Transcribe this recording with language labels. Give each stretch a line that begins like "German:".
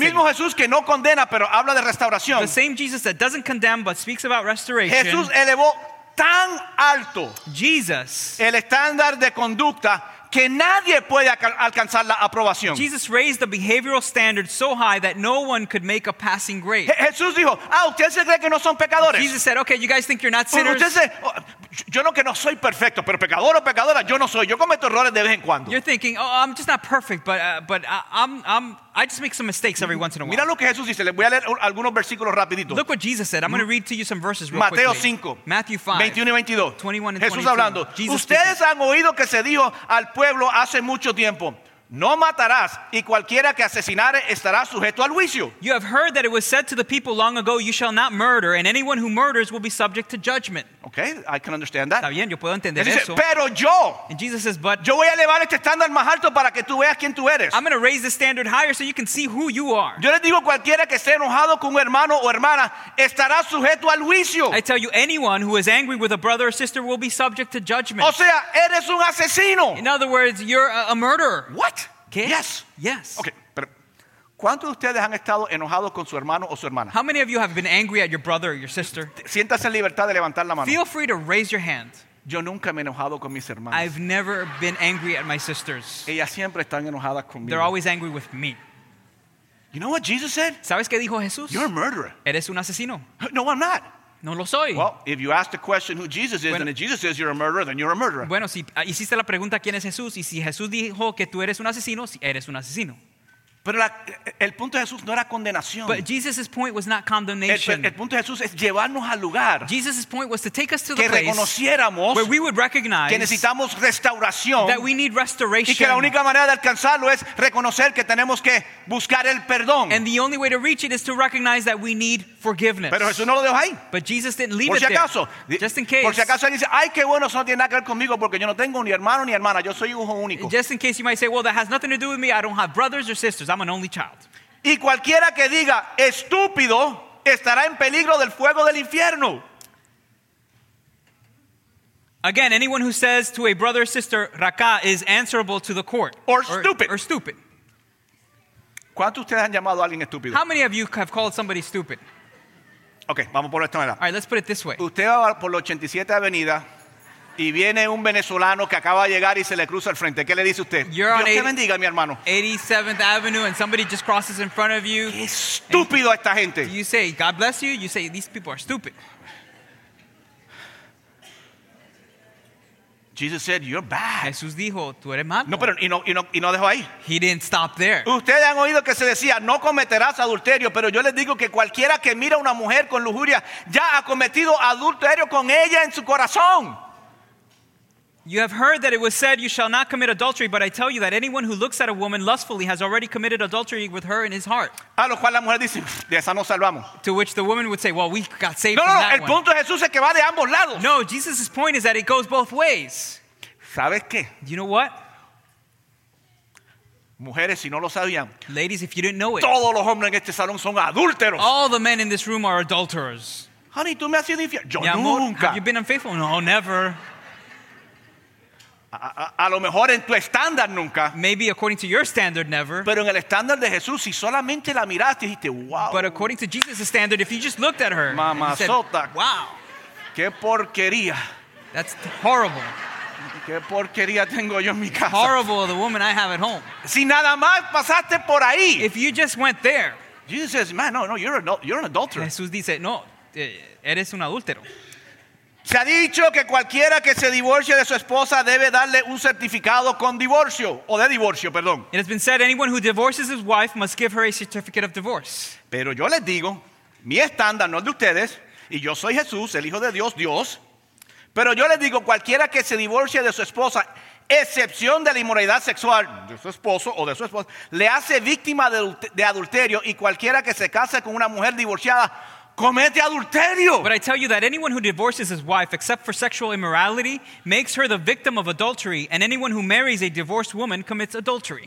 Spanish: El mismo Jesús que no condena, pero habla de restauración.
English: The same Jesus that doesn't condemn but speaks about restoration.
Spanish: Jesús elevó tan alto
English: Jesus,
Spanish: el estándar de conducta que nadie puede alcanzar la aprobación.
English: Jesus raised the behavioral standard so high that no one could make a passing grade.
Spanish: Jesús dijo, ah, ¿ustedes se creen que no son pecadores?
English: Jesus said, okay, you guys think you're not sinners.
Spanish: Ustedes, yo no que no soy perfecto, pero pecador o pecadora, yo no soy. Yo cometo errores de vez en cuando.
English: You're thinking, oh, I'm just not perfect, but I just make some mistakes every once in a while.
Spanish: Mira lo que Jesús dice. Les voy a leer algunos versículos rapidito.
English: Look what Jesus said. I'm going to read to you some verses real
Spanish: Mateo
English: quickly.
Spanish: 5.
English: Matthew 5.
Spanish: 21 y 22.
English: 21 and 22.
Spanish: Jesús hablando. Jesus ustedes speaking. Han oído que se dijo al pueblo hace mucho tiempo, no matarás, y cualquiera que asesinare estará sujeto al juicio.
English: You have heard that it was said to the people long ago, you shall not murder, and anyone who murders will be subject to judgment. Okay, I can understand that.
Spanish: Está bien, yo puedo entender dice, eso. Pero yo,
English: and Jesus says, but
Spanish: yo voy a elevar este estándar más alto para que tú veas quién tú eres.
English: I'm going to raise the standard higher so you can see who you are.
Spanish: Yo les digo, cualquiera que esté enojado con un hermano o hermana estará sujeto al juicio.
English: I tell you, anyone who is angry with a brother or sister will be subject to judgment.
Spanish: O sea, eres un asesino.
English: In other words, you're a murderer. What?
Spanish: ¿Qué?
English: Yes. Yes. Okay.
Spanish: ¿Cuántos de ustedes han estado enojados con su hermano o su hermana?
English: How many of you have been angry at your brother or your sister?
Spanish: Siéntase en libertad de levantar la mano.
English: Feel free to raise your hand.
Spanish: Yo nunca me he enojado con mis hermanas.
English: I've never been angry at my sisters.
Spanish: Ellas siempre están enojadas conmigo.
English: They're always angry with me. You know what Jesus said?
Spanish: ¿Sabes qué dijo Jesús?
English: You're a murderer.
Spanish: Eres un asesino.
English: No, I'm not.
Spanish: No lo soy.
English: Well, if you ask the question who Jesus is,
Spanish: bueno,
English: and if Jesus says you're a murderer, then you're a murderer.
Spanish: Bueno, si hiciste la pregunta quién es Jesús, y si Jesús dijo que tú eres un asesino, si eres un asesino. Pero el punto de Jesús no era condenación.
English: But Jesus's point was not condemnation.
Spanish: El punto de Jesús es llevarnos al lugar.
English: Jesus's point was to take us to
Spanish: que
English: the place
Spanish: reconociéramos
English: where we would recognize
Spanish: que necesitamos restauración.
English: That we need restoration.
Spanish: Y que la única manera de alcanzarlo es reconocer que tenemos que buscar el perdón.
English: And the only way to reach it is to recognize that we need forgiveness.
Spanish: Pero Jesús no lo dejó ahí.
English: But Jesus didn't leave
Spanish: por si
English: it
Spanish: acaso,
English: there. Just in case.
Spanish: Por si acaso alguien dice, ay, qué bueno, eso no tiene nada que ver conmigo porque yo no tengo ni hermano ni hermana. Yo soy hijo único.
English: Just in case you might say, well, that has nothing to do with me. I don't have brothers or sisters. I'm an only child.
Spanish: Y cualquiera que diga estúpido estará en peligro del fuego del infierno.
English: Again, anyone who says to a brother or sister, raca, is answerable to the court. Or stupid. Or stupid.
Spanish: ¿Cuántos ustedes han llamado a alguien estúpido?
English: How many of you have called somebody stupid?
Spanish: Okay, vamos por esta manera.
English: All right, let's put it this way.
Spanish: Usted va por la 87 Avenida y viene un venezolano que acaba de llegar y se le cruza al frente. ¿Qué le dice usted? Dios te bendiga, mi hermano.
English: 87th Avenue and somebody just crosses in front of you.
Spanish: ¡Qué estúpido esta gente!
English: Do you say, God bless you? You say, these people are stupid. Jesus said, you're bad.
Spanish: Jesús dijo, tú eres malo. No, pero y no dejó ahí.
English: He didn't stop there.
Spanish: Ustedes han oído que se decía, no cometerás adulterio, pero yo les digo que cualquiera que mira a una mujer con lujuria ya ha cometido adulterio con ella en su corazón.
English: You have heard that it was said, you shall not commit adultery, but I tell you that anyone who looks at a woman lustfully has already committed adultery with her in his heart.
Spanish: A lo cual la mujer dice, de esa nos salvamos.
English: To which the woman would say, well, we got saved from that
Spanish: one. No, el punto de Jesús es que va de ambos lados.
English: No, Jesus' point is that it goes both ways.
Spanish: ¿Sabes qué?
English: You know what?
Spanish: Mujeres, si no lo sabían.
English: Ladies, if you didn't know it.
Spanish: Todos los hombres en este salón son adúlteros.
English: All the men in this room are adulterers.
Spanish: Honey, ¿tú me has sido infiel? Yo amor, nunca.
English: Have you been unfaithful? No, never.
Spanish: A lo mejor en tu estándar nunca.
English: Maybe according to your standard, never.
Spanish: Pero en el estándar de Jesús, si solamente la miraste, dijiste, wow.
English: But according to Jesus' standard, if you just looked at her,
Spanish: mamazota,
English: said, wow.
Spanish: Qué porquería.
English: That's horrible.
Spanish: Qué porquería tengo yo en mi casa.
English: Horrible, the woman I have at home.
Spanish: Si nada más pasaste por ahí.
English: If you just went there. Jesus says, man, no, you're an adulterer.
Spanish: Jesús dice, no, eres un adúltero. Se ha dicho que cualquiera que se divorcie de su esposa debe darle un certificado con divorcio o de divorcio, perdón.
English: It has been said anyone who divorces his wife must give her a certificate of divorce.
Spanish: Pero yo les digo, mi estándar no es de ustedes, y yo soy Jesús, el Hijo de Dios, Dios. Pero yo les digo, cualquiera que se divorcie de su esposa, excepción de la inmoralidad sexual de su esposo o de su esposa, le hace víctima de adulterio, y cualquiera que se case con una mujer divorciada comete adulterio.
English: But I tell you that anyone who divorces his wife except for sexual immorality makes her the victim of adultery, and anyone who marries a divorced woman commits adultery.